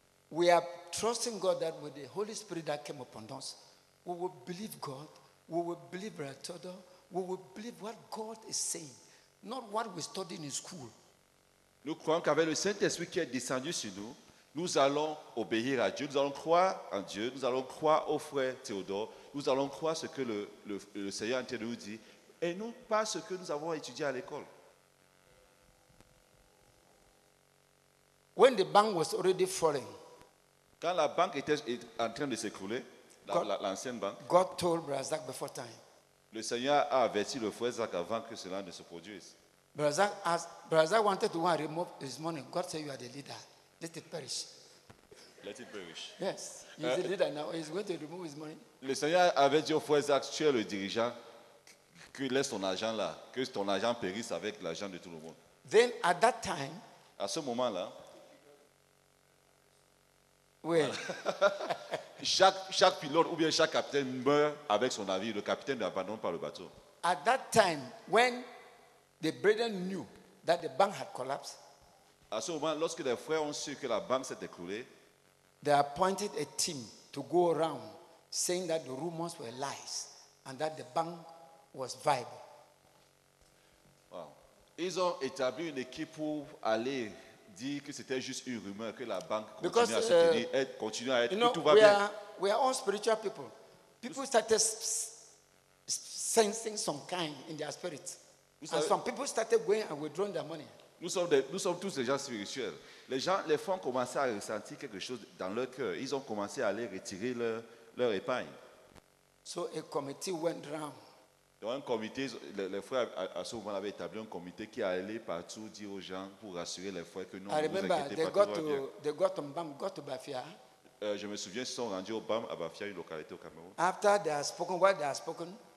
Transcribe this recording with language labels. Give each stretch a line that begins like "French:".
English: We are trusting God that with the Holy Spirit that came upon us, we will believe God, we will believe Ratodo, we will believe what God is saying, not what we studied in school.
French: Nous croyons qu'avec le Saint-Esprit qui est descendu sur nous, nous allons obéir à Dieu, nous allons croire en Dieu, nous allons croire au frère Théodore, nous allons croire ce que le Seigneur a nous dit, et non pas ce que nous avons étudié à l'école.
English: When the bank was already falling,
French: quand la banque était en train de s'écrouler, l'ancienne banque,
English: God told Brazak before time.
French: Le Seigneur a averti le frère Zach avant que cela ne se produise.
English: Brazak wanted to want to remove his money. God said, "You are the leader. Let it perish." Let it perish. Yes, he's the leader now. He's going to remove his money.
French: Le Seigneur avait dit au frère Zach, "Tu es le dirigeant. Que laisse ton argent là. Que ton argent périsse avec l'argent de tout le monde."
English: Then at that time,
French: à ce moment-là.
English: Well,
French: chaque pilote ou bien chaque capitaine meurt avec son navire. Le capitaine n'abandonne pas le bateau.
English: At that time, when the brethren knew that the bank had collapsed,
French: à ce moment, lorsque les frères ont su que la banque s'est écroulée,
English: they appointed a team to go around saying that the rumors were lies and that the bank was viable. Wow.
French: Ils ont établi une équipe pour aller dit que c'était juste une rumeur que la banque continue à se tenir, continue à être,
English: you know,
French: tout va bien.
English: We are all spiritual people. People started sensing some kind in their spirit. And some people started going and withdrawing their money.
French: Nous sommes tous des gens spirituels. Les fonds ont commencé à ressentir quelque chose dans leur cœur. Ils ont commencé à aller retirer leur épargne.
English: So a committee went round.
French: Donc un comité, les frères à ce moment-là avaient établi un comité qui allait partout dire aux gens pour rassurer les frères que nous ne vous inquiétez pas, tout va bien. Je me souviens, ils sont rendus au BAM à Bafia, une localité au Cameroun.
English: After they have spoken what they have spoken,